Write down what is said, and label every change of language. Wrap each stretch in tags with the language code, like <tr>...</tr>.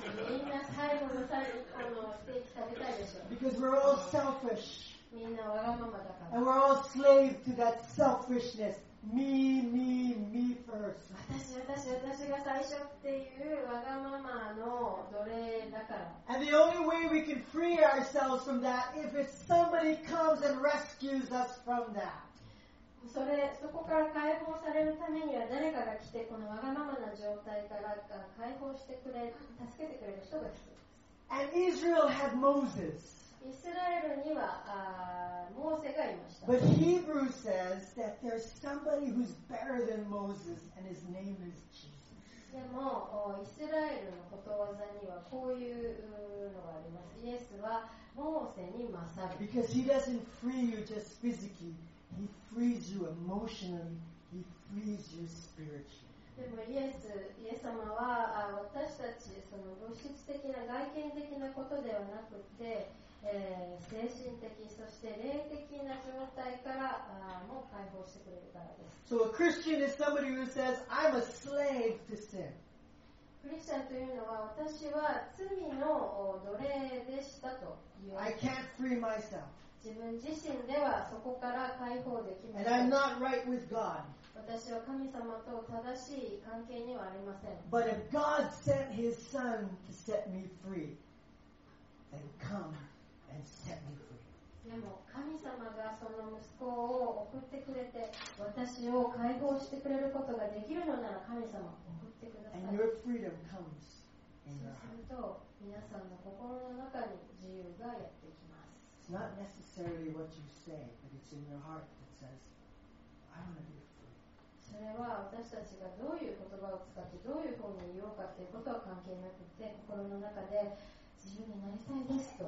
<ja>みんな最後の最後のステーキ食べたいでしょ。</ja> <en>Because we're all selfish.</en> <ja>みんなわがままだから。</ja> <en>And we're all slaves to that selfishness. Me, me, me first.</en> <ja>私、私、私が最初っていうわがままの奴隷だから。</ja> <en>And the only way we can free ourselves from that is if somebody comes and rescues us from that.</en> <ja>そこから解放されるためには誰かが来てこのわがままな状態から解放してくれ、助けてくれる人が来る。</ja> <en>And Israel had Moses.</en> <ja>イスラエルにはモーセがいました。</ja> <en>But Hebrew says that there's somebody who's better than Moses and his name is Jesus.</en> <ja>でもイスラエルのことわざにはこういうのがあります。イエスはモーセに勝る。</ja> <en>Because he doesn't free you just physically, he frees you emotionally, he frees you spiritually.</en> <ja>でもイエス様は私たちその物質的な外見的なことではなくて、精神的そして霊的な状態からも解放してくれるからです。</ja> <en>So a Christian is somebody who says, I'm a slave to sin.</en> <ja>クリスチャンというのは私は罪の奴隷でしたと言われ</ja> <en>ます。I can't free myself.</en> <ja>自分自身ではそこから解放できません。</ja> <en>And I'm not right with God.</en> <ja>私は神様と正しい関係にはありません。</ja> <en>But if God sent His Son to set me free, then come and set me free.</en> <ja>でも神様がその息子を送ってくれて、私を解放してくれることができるのなら神様送ってください。</ja> <en>And your freedom comes in your heart.</en> <ja>そうすると皆さんの心の中に自由がやってきます。</ja> <en>It's not necessarily what you say, but it's in your heart that says, I want to be.</en> <ja>それは私たちがどういう言葉を使ってどういう方に言おうかということは関係なくて心の中で自由になりたいですと。</ja>